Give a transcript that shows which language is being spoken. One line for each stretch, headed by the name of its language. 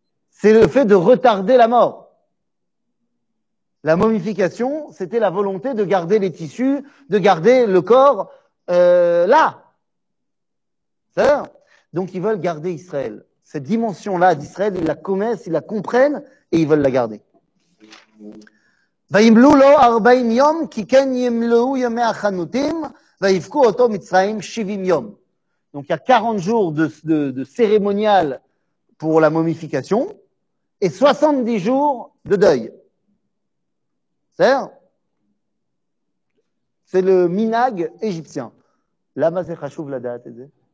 French: C'est le fait de retarder la mort. La momification, c'était la volonté de garder les tissus, de garder le corps là. C'est-à-dire? Donc ils veulent garder Israël. Cette dimension-là d'Israël, ils la connaissent, ils la comprennent et ils veulent la garder.
Hebrew: וימלו לו 40 יום כי כן ימלאו ימי החנותים ויבכו אותו מצרים 70 יום.
French: Donc il y a 40 jours de cérémonial pour la momification et 70 jours de deuil. C'est le minag égyptien.
Hebrew: Lama ze chashuv ladat et ze.